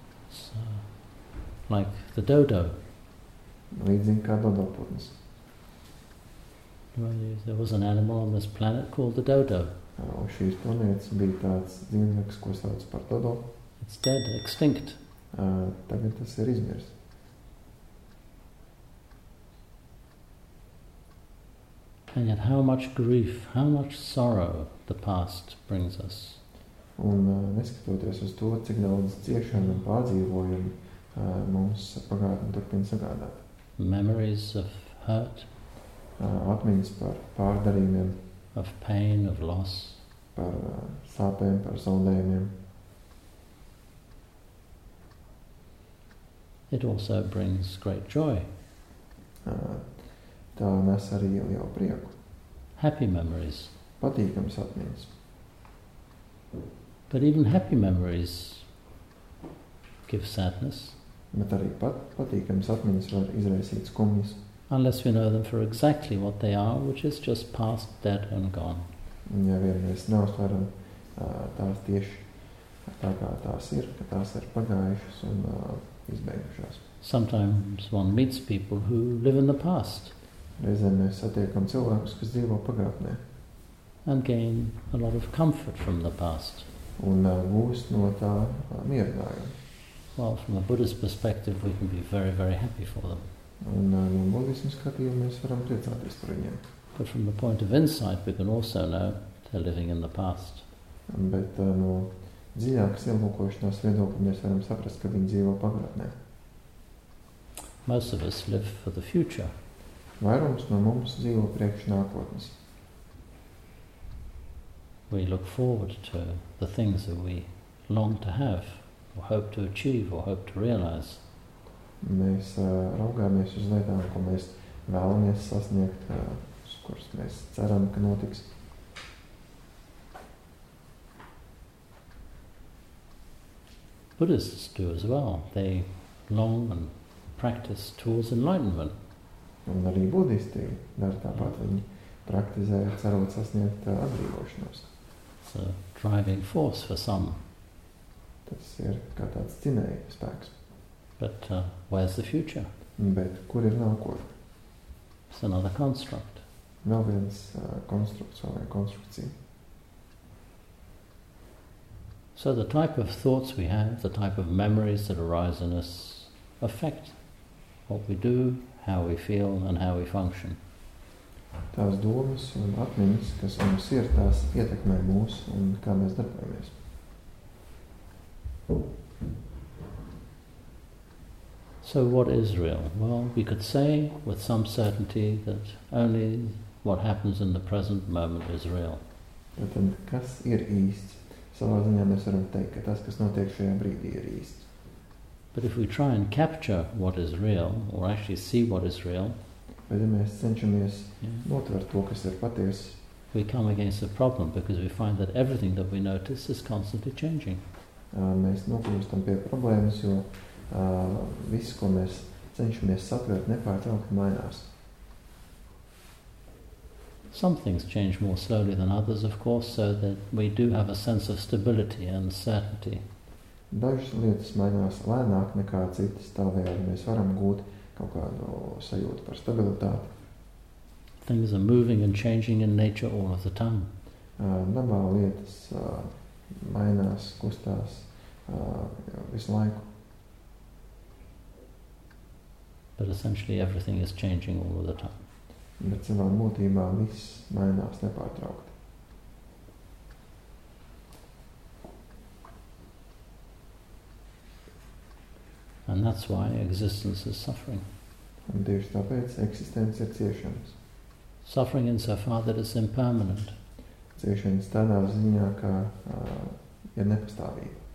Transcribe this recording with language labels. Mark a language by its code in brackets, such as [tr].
[en] So, like the dodo. [lv] Līdzīgi kā dodo putnis. [en] Well, there was an animal on this planet called the dodo. [lv] Un šīs planētas bija tāds dzīvnieks, ko sauc par dodo. [en] It's dead, extinct. [lv] Tagad tas ir izmirs. [en] And yet how much grief, how much sorrow the past brings us. [lv] Un neskatoties uz to, cik daudz ciešanu un pārdzīvojumu mums pagātni turpina sagādāt. [en] Memories of hurt. [lv] Atmiņas par pārdarījumiem. [en] Of pain, of loss. [lv] Par sāpēm, par zaudējumiem. [en] It also brings great joy. [lv] Tā nes arī lielu prieku. [en] Happy memories. [lv] Patīkams atmiņas. [en] But even happy memories give sadness. [lv] Bet arī patīkams atmiņas var izraisīt skumjas. [en] Unless we know them for exactly what they are, which is just past, dead and gone. [lv] Ja vien mēs neuztveram tās tieši tā kā tās ir pagājušas un izbeigušās. [en] Sometimes one meets people who live in the past. [lv] Reizēm mēs satiekam cilvēkus, kas dzīvo pagātnē. [en] And gain a lot of comfort from the past. [lv] Un gūst no tā mierinājumu. [en] Well, from a Buddhist perspective, we can be very, very happy for them. [lv] Un no budismu skatījuma mēs varam priecāties par viņiem. [en] But from the point of insight, we can also know they're living in the past. [lv] Bet no dziļākas ielūkošanās viedokļa mēs varam saprast, ka viņi dzīvo pagātnē. [en] Most of us live for the future. [lv] Vairums no mums dzīvo priekš nākotnes. [en] We look forward to the things that we long to have, or hope to achieve, or hope to realize. [lv] Mēs raugāmies uz lietām, ko mēs vēlamies sasniegt, uz kuras mēs ceram, ka notiks. [en] Buddhists do as well. They long and practice towards enlightenment. [lv] Un arī budisti dar tāpat, viņi praktizē, cerot sasniegt atbrīvošanos. [en] So, driving force for some. [lv] Tas ir kā tāds cinēja spēks. [en] But where's the future? [lv] Bet kur ir nākotne? [en] It's another construct. [lv] Vēl viens konstrukts vai konstrukcija. [en] So the type of thoughts we have, the type of memories that arise in us, affect what we do, how we feel and how we function. [lv] Tās domas un atmiņas, kas mums ir, tās ietekmē mūs un kā mēs darbojamies. [en] So what is real? Well, we could say with some certainty that only what happens in the present moment is real. [lv] Tātad, kas ir īsts? Savā ziņā mēs varam teikt, ka tas, kas notiek šajā brīdī, ir īsts. [en] But if we try and capture what is real, or actually see what is real, [lv] bet, ja mēs cenšamies notvert to, kas ir patiesi, [en] we come against a problem because we find that everything that we notice is constantly changing. [lv] Mēs nokļūstam pie problēmas, jo viss, ko mēs cenšamies satvert, nepārtraukti mainās. [en] Some things change more slowly than others, of course, so that we do have a sense of stability and certainty. [lv] Dažas lietas mainās lēnāk nekā citas, tāvēl mēs varam gūt kaut kādu sajūtu par stabilitāti. [en] Things are moving and changing in nature all of the time. [lv] Dabā lietas mainās, kustās visu laiku. [en] But essentially everything is changing all of the time. [lv] Bet savā būtībā viss mainās nepārtraukti. [en] And that's why existence is suffering. [lv] Un tieši tāpēc eksistence ir ciešanas. [en] Suffering in so far that it's impermanent. [lv] Ciešanas tādā ziņā, ka ir nepastāvība.